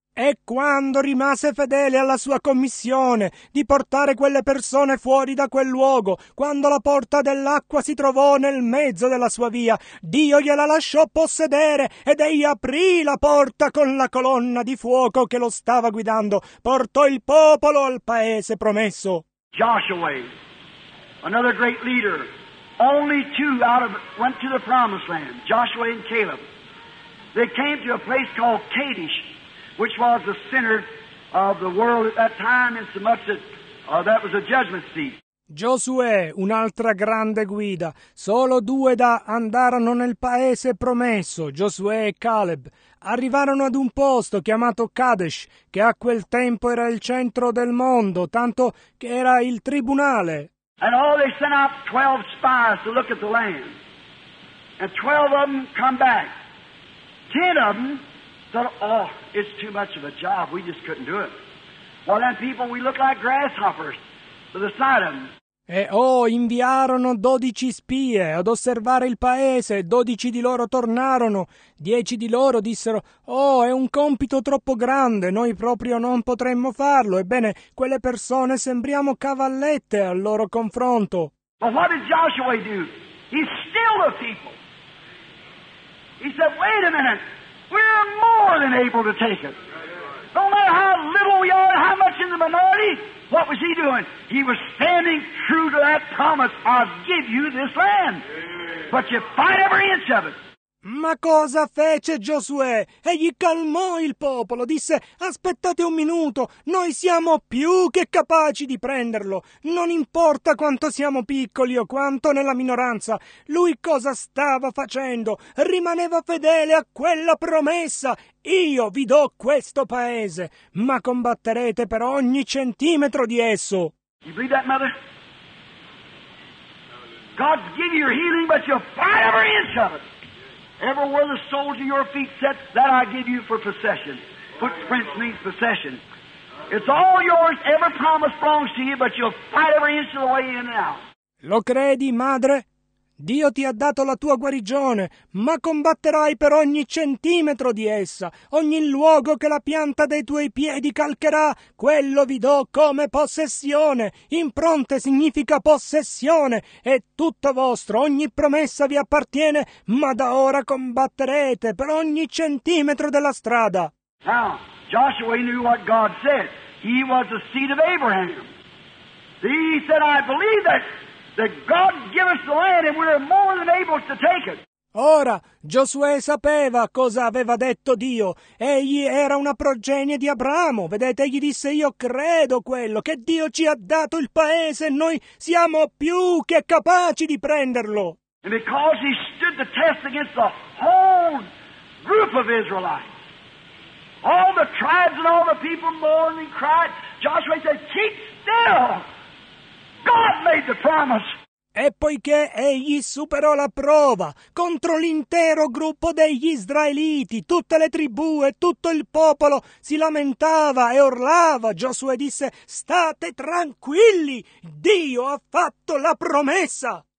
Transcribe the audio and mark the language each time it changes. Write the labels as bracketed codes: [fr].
[it] E quando rimase fedele alla sua commissione di portare quelle persone fuori da quel luogo, quando la porta dell'acqua si trovò nel mezzo della sua via, Dio gliela lasciò possedere ed egli aprì la porta con la colonna di fuoco che lo stava guidando, portò il popolo al paese promesso. [en] Joshua, another great leader, only two out of went to the promised land, Joshua and Caleb. They came to a place called Kadesh, which was the center of the world at that time, in so much that that was a judgment seat. [it] Josué, un'altra grande guida. Solo due da andarono nel paese promesso, Josué e Caleb. Arrivarono ad un posto chiamato Kadesh, che a quel tempo era il centro del mondo, tanto che era il tribunale. [en] And all they sent out 12 spies to look at the land. And 12 of them come back. 10 of them thought, oh, it's too much of a job. We just couldn't do it. Well, then people, we look like grasshoppers to the side of them. [it] E inviarono 12 spie ad osservare il paese, 12 di loro tornarono, 10 di loro dissero, è un compito troppo grande, noi proprio non potremmo farlo. Ebbene, quelle persone sembriamo cavallette al loro confronto. [en] But what did Joshua do? He stilled the people. He said, wait a minute, we're more than able to take it. No matter how little we are, how much in the minority, what was he doing? He was standing true to that promise, I'll give you this land. But you fight every inch of it. [it] Ma cosa fece Giosuè? Egli calmò il popolo, disse, aspettate un minuto, noi siamo più che capaci di prenderlo. Non importa quanto siamo piccoli o quanto nella minoranza, lui cosa stava facendo? Rimaneva fedele a quella promessa. Io vi do questo paese, ma combatterete per ogni centimetro di esso. [en] You believe that, mother? God's giving you healing, but you fight every inch of it. Everywhere the soles of your feet set, that I give you for possession. Footprints means possession. It's all yours, every promise belongs to you, but you'll fight every inch of the way in and out. [it] Lo credi, madre? Dio ti ha dato la tua guarigione, ma combatterai per ogni centimetro di essa. Ogni luogo che la pianta dei tuoi piedi calcherà, quello vi do come possessione. Impronte significa possessione. È tutto vostro, ogni promessa vi appartiene, ma da ora combatterete per ogni centimetro della strada. [en] Now, Joshua knew what God said. He was the seed of Abraham. He said, I believe that. That God give us the land and we're more than able to take it. [it] Ora, Giosuè sapeva cosa aveva detto Dio. Egli era una progenie di Abramo. Vedete, egli disse, io credo quello, che Dio ci ha dato il paese e noi siamo più che capaci di prenderlo. [en] And because he stood the test against the whole group of Israelites, all the tribes and all the people mourned and cried, Joshua said, keep still! God made the promise. [it] E poiché egli superò la prova contro l'intero gruppo degli israeliti, tutte le tribù e tutto il popolo si lamentava e urlava, Giosuè disse, state tranquilli, Dio ha fatto la promessa.